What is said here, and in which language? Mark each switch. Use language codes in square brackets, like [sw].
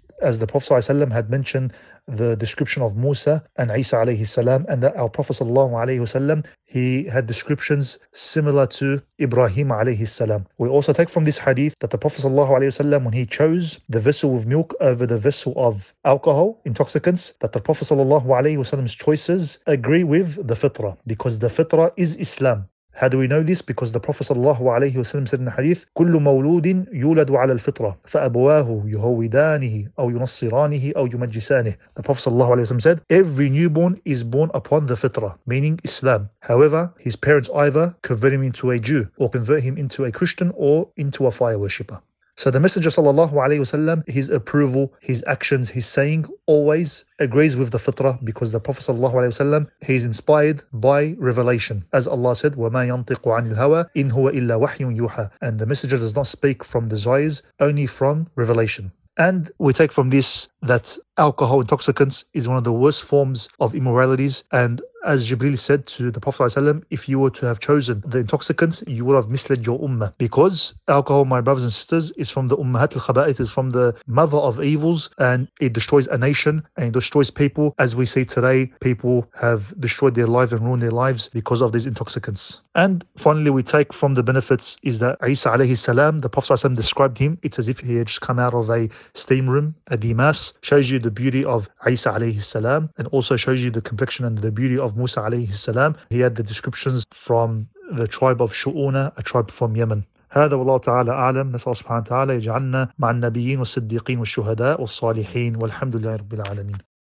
[en] As the Prophet ﷺ had mentioned the description of Musa and Isa alayhi salam, and that our Prophet sallallahu alayhi wasallam, he had descriptions similar to Ibrahim alayhi salam. We also take from this hadith that the Prophet sallallahu alayhi wasallam, when he chose the vessel of milk over the vessel of alcohol, intoxicants, that the Prophet sallallahu alayhi wasallam's choices agree with the fitrah, because the fitrah is Islam. How do we know this? Because the Prophet sallallahu alayhi wasallam said in the hadith, [ar] كُلُّ مَوْلُودٍ يُولَدُ عَلَى الْفِطْرَةِ فَأَبُوَاهُ يُهَوِّدَانِهِ أَوْ يُنَصِّرَانِهِ أَوْ يُمَجِّسَانِهِ. [en] The Prophet sallallahu alayhi wasallam said, every newborn is born upon the fitrah, meaning Islam. However, his parents either convert him into a Jew or convert him into a Christian or into a fire worshipper. So the Messenger sallallahu alayhi wasallam, his approval, his actions, his saying always agrees with the fitrah, because the Prophet sallallahu alayhi wasallam, he is inspired by revelation. As Allah said, [ar] وَمَا يَنْطِقُ عَنِ الْهَوَى إِنْ هُوَ إِلَّا وَحْيٌ يُوحَى. [en] And the Messenger does not speak from desires, only from revelation. And we take from this that alcohol intoxicants is one of the worst forms of immoralities. And as Jibreel said to the Prophet ﷺ, if you were to have chosen the intoxicants, you would have misled your ummah. Because alcohol, my brothers and sisters, is from the ummahat al-khaba'ith, is from the mother of evils, and it destroys a nation and it destroys people. As we see today, people have destroyed their lives and ruined their lives because of these intoxicants. And finally, we take from the benefits is that Isa alayhi salam, the Prophet ﷺ described him, it's as if he had just come out of a steam room, a dimas. Shows you the beauty of Isa alayhi salam, and also shows you the complexion and the beauty of Musa alayhi salam. He had the descriptions from the tribe of Shu'una, a tribe from Yemen. [ar] هذا والله تعالى أعلم. نسأل الله سبحانه وتعالى يجعلنا مع النبيين والصديقين والشهداء والصالحين والحمد لله رب العالمين.